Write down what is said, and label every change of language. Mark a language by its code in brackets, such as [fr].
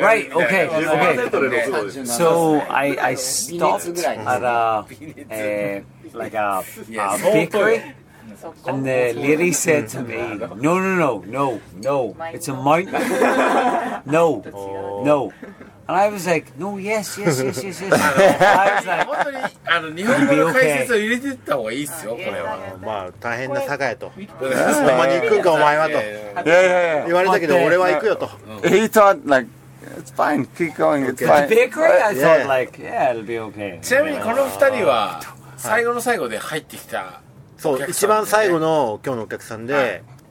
[en] Right, okay. So, I stopped at a bakery, and the lady said to me, no, it's a mountain. No. And I was like, yes. I was [ja] like,日本語の解説を入れていった方がいいっすよ、これは。まあ、大変な坂やと。ほんまに行くんか、お前はと。言われたけど、俺は行くよと。 [en] He thought, like, it's fine, keep going, it's fine. The bakery? I thought, like, yeah, it'll be okay. [ja] ちなみに、この二人は、最後の最後で入ってきた。そう、一番最後の今日のお客さんで。